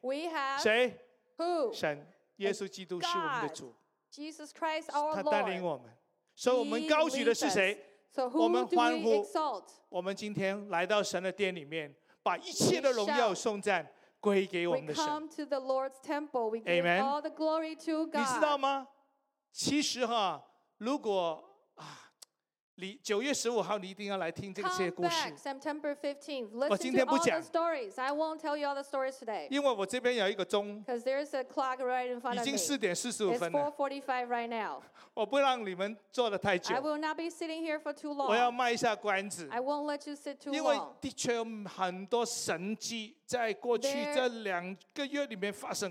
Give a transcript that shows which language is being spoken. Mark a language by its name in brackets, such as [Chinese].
[English] we have [Chinese] 谁 [English] who [Chinese] 神耶稣基督是我们的主 [English] Jesus Christ our Lord [Chinese] 他带领我们所以我们高举的是谁 [English] so who [Chinese] 我们欢呼 [English] do we exalt? [Chinese] 我们今天来到神的殿里面把一切的荣耀颂赞归给我们的神 [English] we come to the Lord's temple we give all the glory to God [Chinese] 你知道吗其实哈如果9月15号你一定要来听这些故事 [English] Come back, September 15th Listen to all the stories I won't tell you all the stories today [Chinese] 因为我这边有一个钟 [English] Because there's a clock right in front of me [Chinese] 已经4:45分了 [English] It's 4:45 right now [Chinese] 我不让你们坐得太久 [English] I will not be sitting here for too long [Chinese] 我要卖一下关子 [English] I won't let you sit too long [Chinese] 因为的确有很多神迹在过去这两个月里面发生